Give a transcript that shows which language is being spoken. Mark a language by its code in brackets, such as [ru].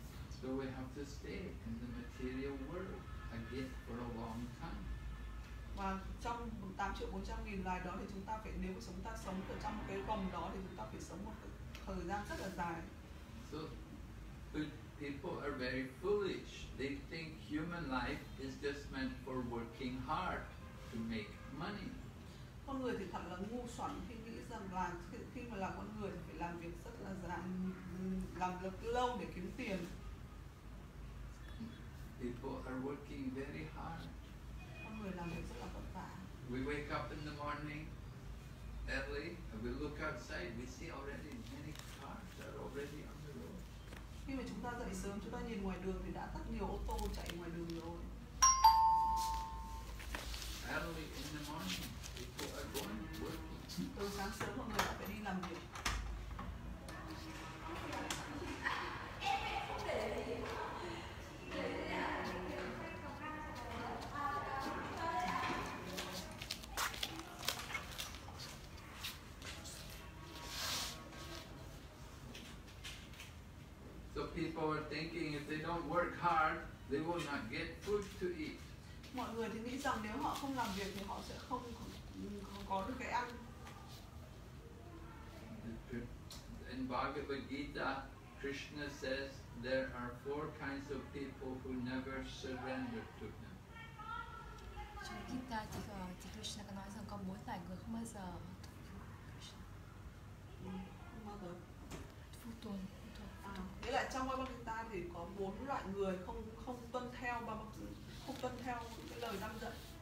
[en] So we have to stay in the material world again for a long time. [vi] Và trong 8,400,000 loài đó thì chúng ta phải, nếu chúng ta sống ở trong cái vòng đó thì chúng ta phải sống một thời gian rất là dài. [en] So people are very foolish. They think human life is just meant for working hard to make money. [vi] Con người thì thật là ngu xuẩn khi nghĩ rằng là khi mà là con người phải làm việc rất là dài, làm được lâu để kiếm tiền. [en] People are working very hard. [vi] Con người làm việc rất là vất vả. [en] We wake up in the morning early and we look outside. We see already many cars are already on the road. [vi] Khi mà chúng ta dậy sớm, chúng ta nhìn ngoài đường thì đã rất nhiều ô tô chạy ngoài đường rồi. [en] Early in the morning, people are going to work. [vi] Từ sáng sớm mọi người đã phải đi làm việc. [en] People are thinking if they don't work hard, they will not get food to eat. [vi] Mọi người thì nghĩ rằng nếu họ không làm việc thì họ sẽ không có được cái ăn. [en] The in Bhagavad Gita, Krishna says there are four kinds of people who never surrender to him. [vi] Nghĩa là trong Bhagavad Gita thì có bốn loại người không không tuân theo cái lời răn dạy.